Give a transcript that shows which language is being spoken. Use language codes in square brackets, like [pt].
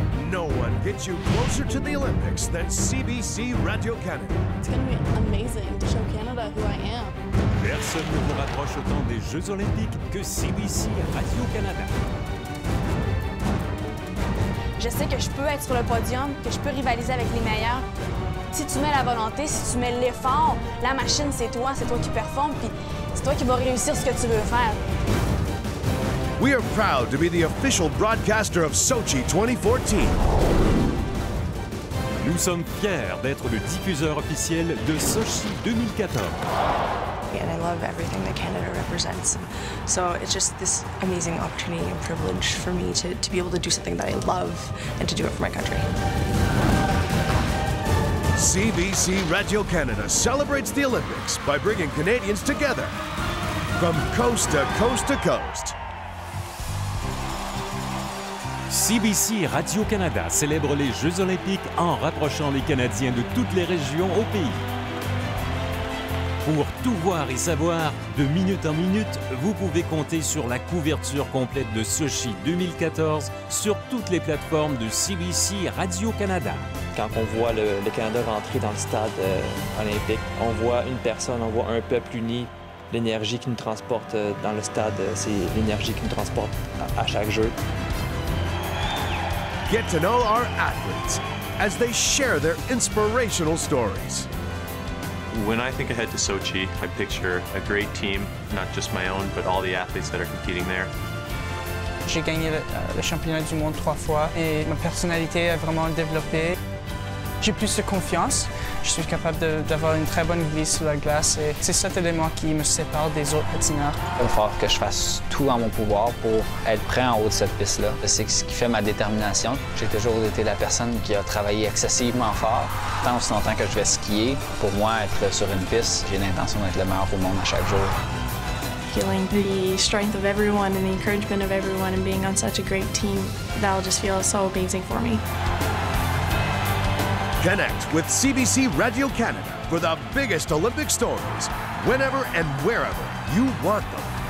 [en] No one gets you closer to the Olympics than CBC Radio Canada. It's going to be amazing to show Canada who I am. [fr] Personne ne vous rapproche autant des Jeux Olympiques que CBC Radio-Canada. Je sais que je peux être sur le podium, que je peux rivaliser avec les meilleurs. Si tu mets la volonté, si tu mets l'effort, la machine, c'est toi qui performe, puis c'est toi qui vas réussir ce que tu veux faire. [en] We are proud to be the official broadcaster of Sochi 2014. [fr] Nous sommes fiers d'être le diffuseur officiel de Sochi 2014. [en] And I love everything that Canada represents. So it's just this amazing opportunity and privilege for me to be able to do something that I love and to do it for my country. CBC Radio Canada celebrates the Olympics by bringing Canadians together from coast to coast to coast. [fr] CBC Radio Canada célèbre les Jeux Olympiques en rapprochant les Canadiens de toutes les régions au pays. Pour tout voir et savoir, de minute en minute, vous pouvez compter sur la couverture complète de Sochi 2014 sur toutes les plateformes de CBC Radio-Canada. Quand on voit le Canada rentrer dans le stade olympique, on voit une personne, on voit un peuple uni. L'énergie qui nous transporte dans le stade, c'est l'énergie qui nous transporte à chaque jeu. [en] Get to know our athletes as they share their inspirational stories. When I think ahead to Sochi, I picture a great team, not just my own, but all the athletes that are competing there. [fr] J'ai gagné le championnat du monde trois fois et ma personnalité a vraiment développé. J'ai plus de confiance, je suis capable d'avoir une très bonne glisse sur la glace et c'est cet élément qui me sépare des autres patineurs. Il va falloir que je fasse tout en mon pouvoir pour être prêt en haut de cette piste-là. C'est ce qui fait ma détermination. J'ai toujours été la personne qui a travaillé excessivement fort. Tant aussi longtemps que je vais skier, pour moi, être sur une piste, j'ai l'intention d'être le meilleur au monde à chaque jour. [en] Feeling the strength of everyone and the encouragement of everyone and being on such a great team, that'll just feel so amazing for me. Connect with CBC Radio Canada for the biggest Olympic stories, whenever and wherever you want them.